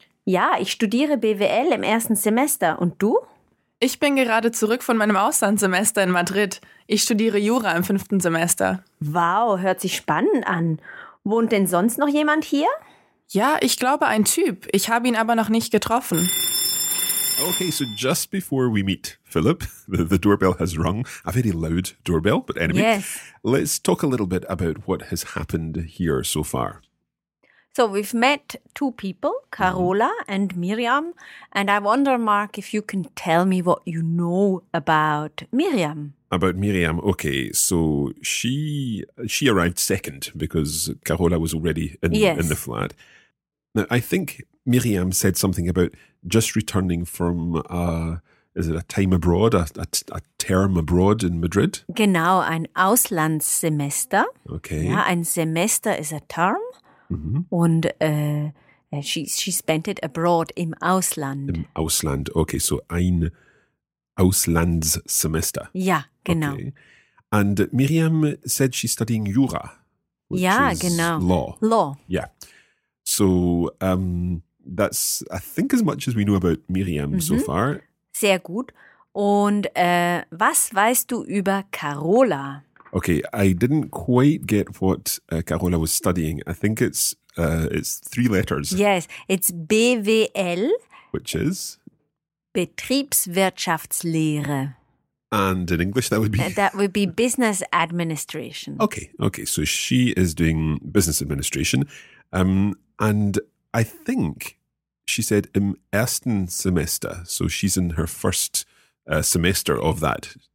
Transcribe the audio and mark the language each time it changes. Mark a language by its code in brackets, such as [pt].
[de] Ja, ich studiere BWL im ersten Semester. Und du? Ich bin gerade zurück von meinem Auslandssemester in Madrid. Ich studiere Jura im fünften Semester. Wow, hört sich spannend an. Wohnt denn sonst noch jemand hier? Ja, ich glaube ein Typ. Ich habe ihn aber noch nicht getroffen. [en] Okay, so just before we meet Philip, the doorbell has rung. A very loud doorbell, but anyway. Yes. Let's talk a little bit about what has happened here so far. So we've met two people, Carola and Myriam. And I wonder, Mark, if you can tell me what you know about Myriam. About Myriam. Okay, so she arrived second because Carola was already in the flat. Now, I think Myriam said something about just returning from, a time abroad, a term abroad in Madrid? [de] Genau, ein Auslandssemester. [en] Okay. [de] Ja, ein Semester [en] is a term. Mm-hmm. [de] Und [en] she spent it abroad [de] im Ausland. Im Ausland. [en] Okay, so [de] ein Auslandssemester. Ja, genau. Okay. [en] And Myriam said she's studying Jura. Law. Law. Yeah. So that's, I think, as much as we know about Myriam so far. [de] Sehr gut. Und was weißt du über Carola? [en] Okay, I didn't quite get what Carola was studying. I think it's three letters. Yes, it's BWL. Which is? [de] Betriebswirtschaftslehre. [en] And in English that would be? That would be business administration. Okay. So she is doing business administration. And I think she said [de] im ersten Semester. [en] So she's in her first semester of that.